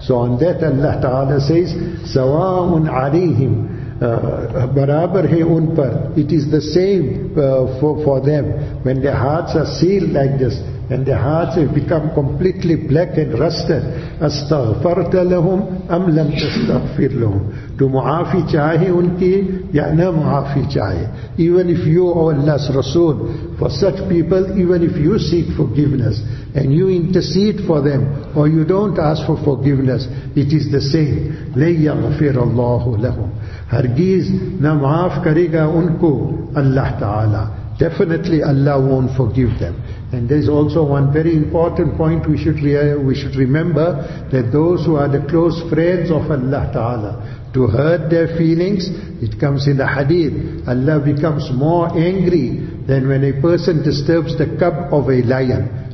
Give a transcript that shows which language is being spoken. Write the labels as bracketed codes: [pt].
[en] So on that Allah Ta'ala says, [ar] سَوَاءٌ عَلَيْهِمْ [ur] برابر ہے ان پر. [en] It is the same for them. When their hearts are sealed like this, and their hearts have become completely black and rusted, [ar] أَسْتَغْفَرْتَ لَهُمْ أَمْ لَمْ تَسْتَغْفِرْ لَهُمْ. [ur] تو معافی چاہے ان کی یا نہ معافی چاہے. [en] Even if you, O Allah's Rasul, for such people, even if you seek forgiveness, and you intercede for them, or you don't ask for forgiveness, it is the same. [ar] لَيَغْفِرَ اللَّهُ لَهُمْ. [ur] ہرگیز نہ معاف کرے گا ان کو اللہ تعالی. [en] Definitely Allah won't forgive them. And there's also one very important point we should remember, that those who are the close friends of Allah Ta'ala, to hurt their feelings, it comes in the hadith, Allah becomes more angry than when a person disturbs the cub of a lion.